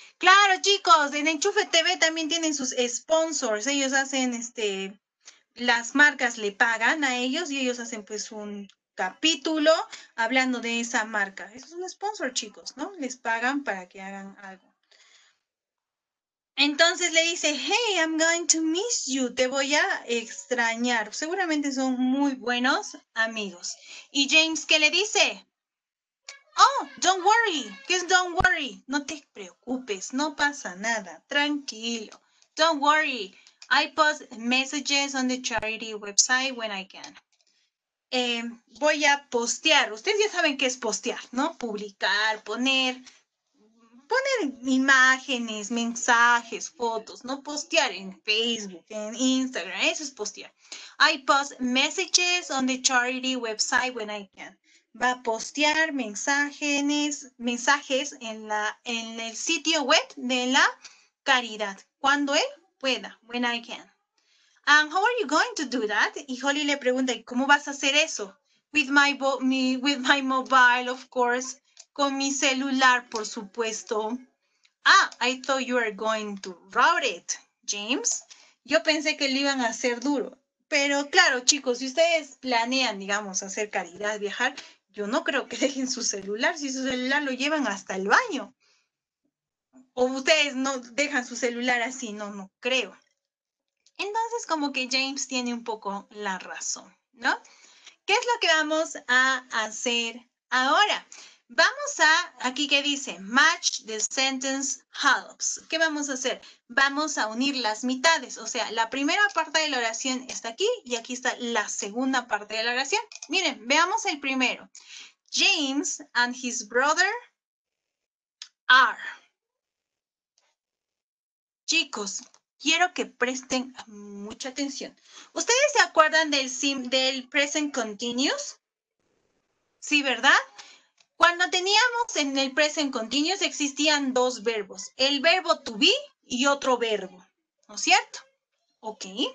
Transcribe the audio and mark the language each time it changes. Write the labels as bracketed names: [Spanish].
[Spanish] Claro, chicos, en Enchufe TV también tienen sus sponsors. Ellos hacen las marcas le pagan a ellos y ellos hacen pues un capítulo hablando de esa marca. Eso es un sponsor, chicos, ¿no? Les pagan para que hagan algo. Entonces le dice, [English] hey, I'm going to miss you. [Spanish] Te voy a extrañar. Seguramente son muy buenos amigos. Y James, ¿qué le dice? [English] Oh, don't worry. [Spanish] ¿Qué es [English] don't worry? [Spanish] No te preocupes, no pasa nada. Tranquilo. [English] Don't worry. I post messages on the charity website when I can. [Spanish] Voy a postear. Ustedes ya saben qué es postear, ¿no? Publicar, poner imágenes, mensajes, fotos, ¿no? Postear en Facebook, en Instagram, eso es postear. [English] I post messages on the charity website when I can. [Spanish] Va a postear mensajes en el sitio web de la caridad. ¿Cuándo es? Pueda, [English] when I can. And how are you going to do that? [Spanish] Y Holly le pregunta, ¿cómo vas a hacer eso? [English] With my mobile, of course. [Spanish] Con mi celular, por supuesto. [English] Ah, I thought you were going to route it, James. [Spanish] Yo pensé que lo iban a hacer duro. Pero claro, chicos, si ustedes planean, digamos, hacer caridad, viajar, yo no creo que dejen su celular. Si su celular lo llevan hasta el baño. O ustedes no dejan su celular así, no creo. Entonces, como que James tiene un poco la razón, ¿no? ¿Qué es lo que vamos a hacer ahora? Vamos a, aquí que dice, [English] match the sentence helps. [Spanish] ¿Qué vamos a hacer? Vamos a unir las mitades. O sea, la primera parte de la oración está aquí y aquí está la segunda parte de la oración. Miren, veamos el primero. [English] James and his brother are. [Spanish] Chicos, quiero que presten mucha atención. ¿Ustedes se acuerdan del present continuous? Sí, ¿verdad? Cuando teníamos en el present continuous existían dos verbos. El verbo to be y otro verbo. ¿No es cierto? Ok.